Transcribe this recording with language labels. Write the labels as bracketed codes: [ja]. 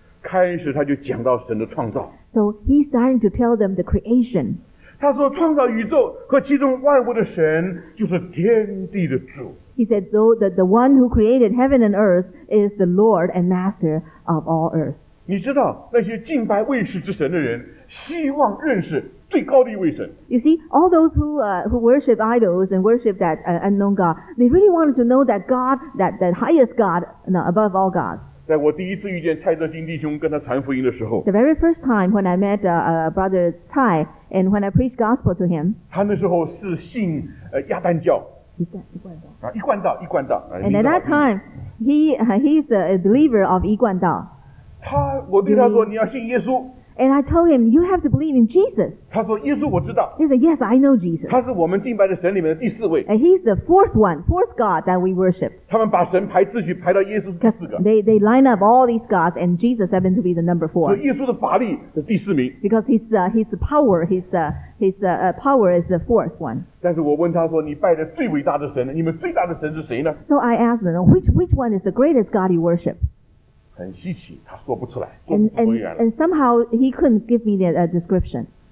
[zh] 开始他就讲到神的创造。 [en] So he's starting to tell them the creation. [zh] 他说创造宇宙和其中万物的神就是天地的主。 [en] He said, though the one who created heaven and earth is the Lord and Master of all earth. [zh] 你知道那些敬拜卫士之神的人希望认识最高的一位神。 [en] You see, all those who worship idols and worship that unknown God, they really wanted to know that God, that highest God, no, above all gods. [zh] 在我第一次遇见蔡泽金弟兄跟他传福音的时候, [en] the very first time when I met Brother Tai and when I preached gospel to him, [zh] 他那时候是信, 亚丹教, 一贯道, 一贯道, [en] and at that time, he's a believer of 一贯道. [zh] 我对他说你要信耶稣。 [en] And I told him, you have to believe in Jesus. [zh] 他说耶稣我知道。 [en] He said, yes, I know Jesus. [zh] 他是我们敬拜的神里面的第四位。 [en] And he's the fourth one, fourth God that we worship. [zh] 他们把神排秩序排到耶稣第四个。 [en] They line up all these gods and Jesus happened to be the number four. [zh] 所以耶稣的法力是第四名。 [en] Because his power is the fourth one. [zh] 但是我问他说你拜的最伟大的神，你们最大的神是谁呢？ [en] So I asked him, which one is the greatest God you worship? [zh] 很稀奇，他说不出来， and somehow he couldn't give me that description.